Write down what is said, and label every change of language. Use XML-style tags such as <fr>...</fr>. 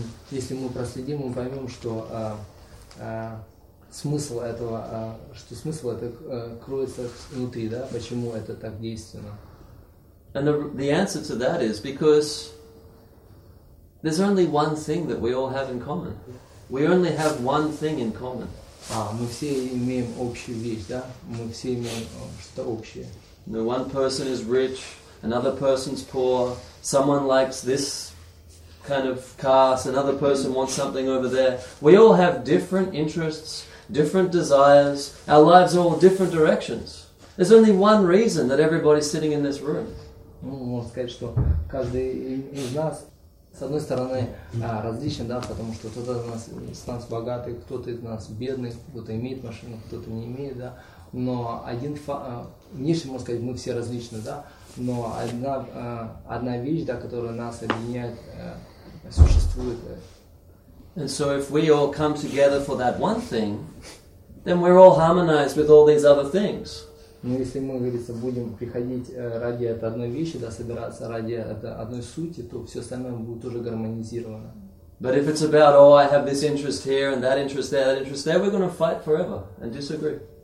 <ru>Если мы проследим, мы поймем, что смысл этого, что смысл это кроется внутри, да? Почему это так действенно?</ru> <en>And the answer to that is because there's only one thing that we all have in common. We only have one thing in common.</en> <ru>Мы все имеем общую вещь, да? Мы все имеем что-то общее.</ru> <en>No, one person is rich, another person's poor. Someone likes this kind of caste, another person wants something over there. We all have different interests, different desires. Our lives are all different directions. There's only one reason that everybody's sitting in this room.</en> <ru>Можно сказать, что каждый из нас, с одной стороны, различен, да, потому что кто-то из нас богатый, кто-то из нас бедный, кто-то имеет машину, кто-то не имеет, да. Но один внешне, можно сказать, мы все различны, да. Но одна вещь, да, которая нас объединяет, существует.</ru> <en>And so if we all come together for that one thing, then we're all harmonized with all these other things.</en> <ru>Но если мы, говорится, будем приходить ради этой одной вещи, да, собираться ради этой одной сути, то все остальное будет уже гармонизировано.</ru> <en>But if it's about, oh, I have this interest here and that interest there, we're going to fight forever and disagree.</en>